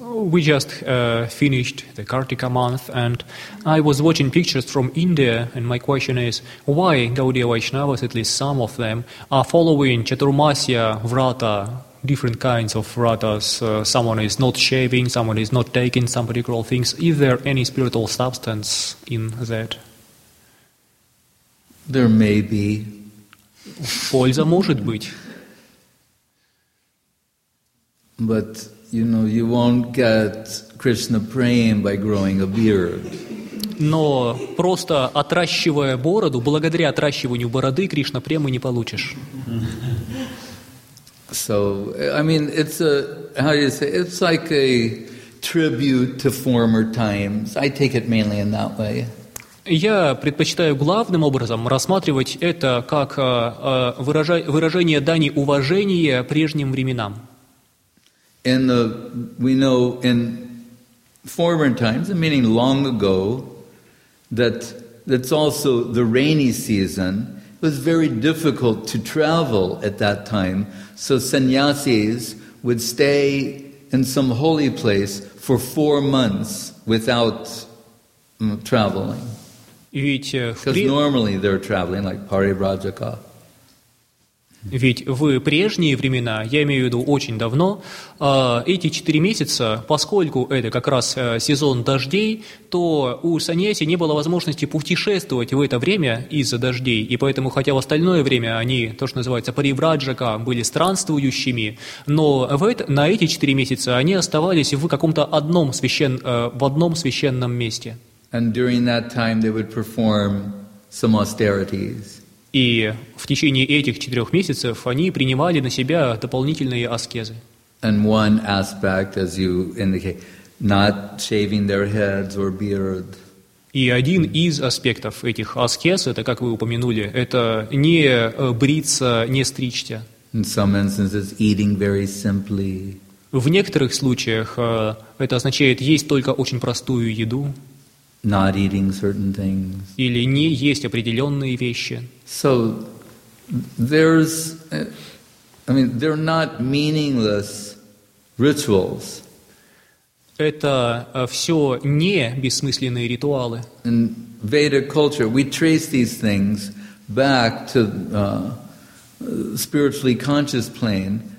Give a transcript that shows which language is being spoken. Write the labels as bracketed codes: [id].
[en] We just finished the Kartika month, and I was watching pictures from India, and my question is, why Gaudiya Vaishnavas, at least some of them, are following Chaturmasya Vrata, different kinds of Vratas, someone is not shaving, someone is not taking some particular things, is there any spiritual substance in that? There may be. [ru] Польза может быть. [en] But, you know, you won't get Krishna praying by growing a beard. [ru] но просто отращивая бороду, благодаря отращиванию бороды, Кришна премы не получишь. [en] So, I mean, it's a, how do you say, it's like a tribute to former times. I take it mainly in that way. [ru] Я предпочитаю главным образом рассматривать это как выражение дани уважения прежним временам. [en] We know in former times, meaning long ago, that that's also the rainy season. It was very difficult to travel at that time, so sannyasis would stay in some holy place for 4 months without traveling. Because normally they're traveling, like Parivrajaka. [ru] Ведь в прежние времена, я имею в виду очень давно, эти 4 месяца, поскольку это как раз сезон дождей, то у саньяси не было возможности путешествовать в это время из-за дождей, и поэтому, хотя в остальное время они, то, что называется, паривраджака, были странствующими, но на эти 4 месяца они оставались в каком-то одном в одном священном месте. [en] And during that time they would perform some austerities. [ru] И в течение этих 4 месяцев они принимали на себя дополнительные аскезы. [en] And one aspect, as you indicate, not shaving their heads or beard. [ru] И один из аспектов этих аскез, это, как вы упомянули, это не бриться, не стричься. [en] In some instances, eating very simply. [ru] В некоторых случаях это означает есть только очень простую еду. [en] Not eating certain things. [ru] Или не есть определенные вещи. [en] So there's, I mean, they're not meaningless rituals. [ru] Это все не бессмысленные ритуалы. [en] In Vedic culture, we trace these things back to spiritually conscious plane.